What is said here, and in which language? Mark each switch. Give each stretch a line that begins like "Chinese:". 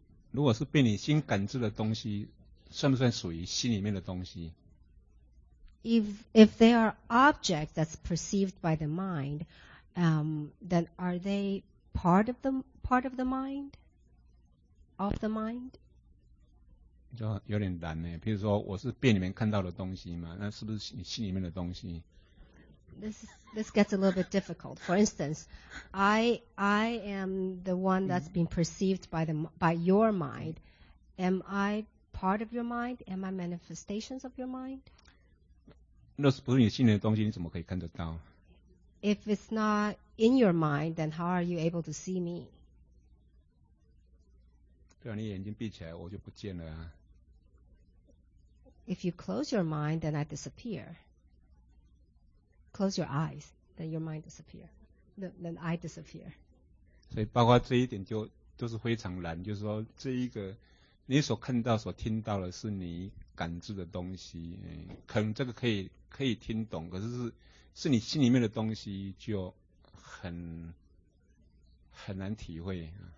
Chinese: 如果是被你心感知的东西，算不算属于心里面的东西？
English: If they are objects that's perceived by the mind, then are they part of the mind?
Chinese: 就有点难呢。比如说，我是被里面看到的东西嘛，那是不是你心里面的东西
English: ？This gets a little bit difficult. For instance, I am the one that's been perceived by your mind. Am I part of your mind? Am I manifestations of your mind?
Chinese: 那是不是你心里的东西？你怎么可以看得到
English: ？If it's not in your mind, then how are you able to see me?
Chinese: 对啊，你眼睛闭起来，我就不见了啊。
English: If you close your mind, then I disappear. Close your eyes, then your mind disappears. Then I disappear.
Chinese: 所以，包括这一点就都是非常难，就是说，这一个你所看到、所听到的是你感知的东西，可能这个可以听懂，可是 是你心里面的东西就很难体会。